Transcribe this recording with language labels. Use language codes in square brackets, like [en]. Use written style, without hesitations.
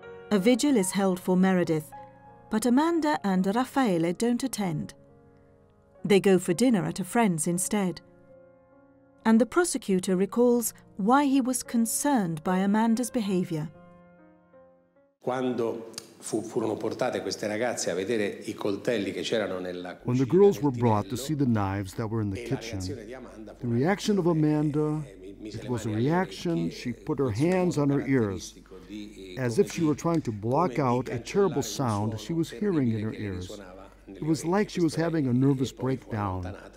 [en] A vigil is held for Meredith, but Amanda and Raffaele don't attend. They go for dinner at a friend's instead. And the prosecutor recalls why he was concerned by Amanda's behavior. [it] Quando furono portate queste ragazze a vedere I coltelli che c'erano nella cucina. [en] When the girls were brought to see the knives that were in the kitchen, the reaction of Amanda, it was a reaction, she put her hands on her ears, as if she were trying to block out a terrible sound she was hearing in her ears. It was like she was having a nervous breakdown.